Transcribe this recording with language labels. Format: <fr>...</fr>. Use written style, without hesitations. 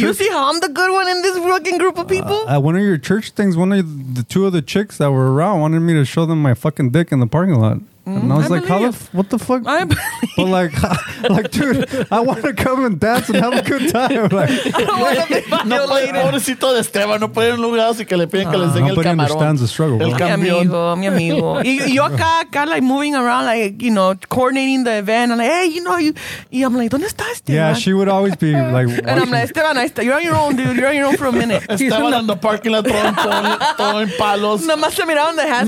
<en>You see how I'm the good one in this fucking group of people? At one of your church things, one of the two of the chicks that were around wanted me to show them my fucking dick in the parking lot. And I was what the fuck? I believe. But like, dude, I want to come and dance and have a good time. Like, I don't want to be violated.</en> <es>Pobrecito de Esteban, no puede ir a un lugar así que le piden que le enseñe el camarón.</es> <en>Nobody understands the struggle.</en> <es>El camión. Mi amigo. Y yo acá,</es> <en>like, moving around, like, you know, coordinating the event. I'm like, hey, you know, y I'm like,</en> <es>¿dónde está Esteban?</es> <en>Yeah, she would always be like, and I'm like, Esteban, you're on your own, dude. You're on your own for a minute. Esteban on the parking lot,</en> <es>todo en palos. Nomás se miraron</es> <en>the hazard</en>